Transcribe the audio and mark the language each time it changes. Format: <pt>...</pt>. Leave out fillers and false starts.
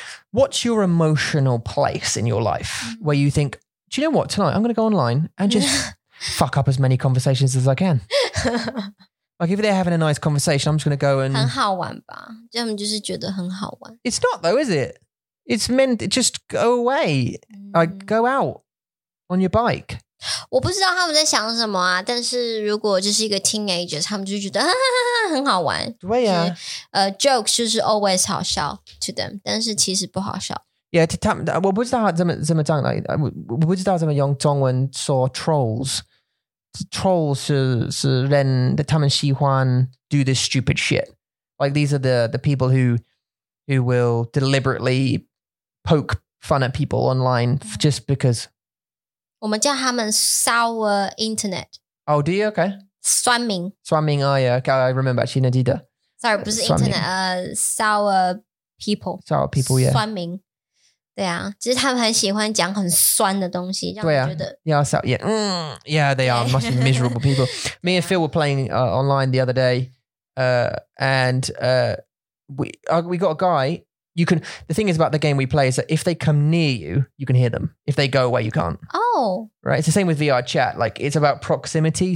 <en>What's your emotional place in your life where you think, do you know what? Tonight, I'm going to go online and just fuck up as many conversations as I can. Like, if they're having a nice conversation, I'm just going to go and...</en> <zh>很好玩吧,他们就是觉得很好玩.</zh> <en>It's not though, is it? It's meant to just go away. Like, go out on your bike.</en> <zh>我不知道他们在想什么啊,但是如果这是一个 teenagers, 他们就觉得很好玩. 对啊. Jokes 就是 always 好笑</zh> <en>to them,</en> <zh>但是其实不好笑.</zh> <en>Yeah, trolls do this stupid shit. Like these are the people who will deliberately poke fun at people online just because.</en> <zh>我们叫他们</zh> <en>sour internet. Oh, do you? Okay.</en> <zh>酸民.</zh> <en>酸民, oh yeah. Okay, I remember actually,</en> <zh>你记得.</zh> <en>Sorry,</en> <zh>不是</zh> <en>internet, sour people. Sour people, yeah.</en> <zh>酸民. 对啊，其实他们很喜欢讲很酸的东西，让我觉得。Yeah,</zh> <en>they are miserable people. Me and Phil were playing online the other day, and we got a guy. You can. The thing is about the game we play is that if they come near you, you can hear them. If they go away, you can't. Oh, right. It's the same with VR chat. Like it's about proximity.</en>